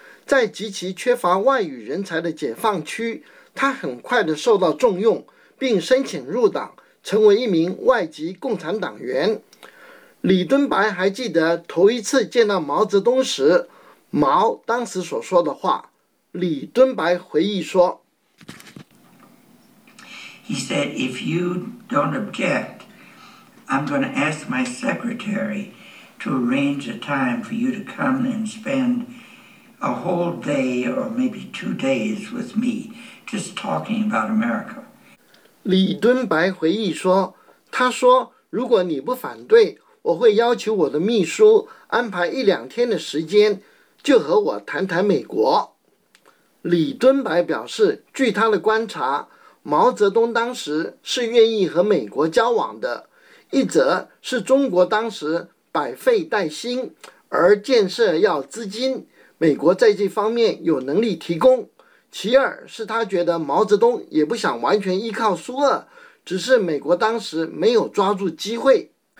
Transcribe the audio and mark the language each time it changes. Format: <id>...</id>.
<zh>在极其缺乏外语人才的解放区，他很快地受到重用，并申请入党，成为一名外籍共产党员。李敦白还记得头一次见到毛泽东时，毛当时所说的话。李敦白回忆说</zh> <en>：“He said, if you don't object, I'm going to ask my secretary to arrange a time for you to come and spend a whole day or maybe 2 days with me, just talking about America.”</en> <zh>李敦白回忆说：“他说，如果你不反对，我会要求我的秘书安排一两天的时间，就和我谈谈美国。” 李敦白表示，据他的观察，毛泽东当时是愿意和美国交往的，一则是中国当时百废待兴，而建设要资金，美国在这方面有能力提供；其二是他觉得毛泽东也不想完全依靠苏俄，只是美国当时没有抓住机会。</zh>